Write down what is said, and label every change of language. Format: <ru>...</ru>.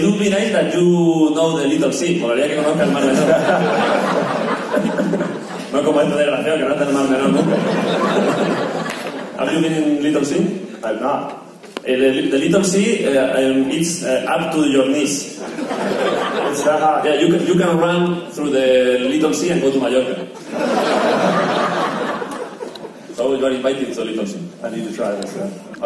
<en>It would be nice that you know the little sea.</en> <es>Molaría que conozca el mar menor. No como este desgraciado que no está en el mar menor nunca.</es> <en>Have you been in little sea? I've not. The little sea, it's up to your knees. It's that hard. Yeah, you can run through the little sea and go to Mallorca. So you are invited to little sea. I need to try this. Yeah.</en>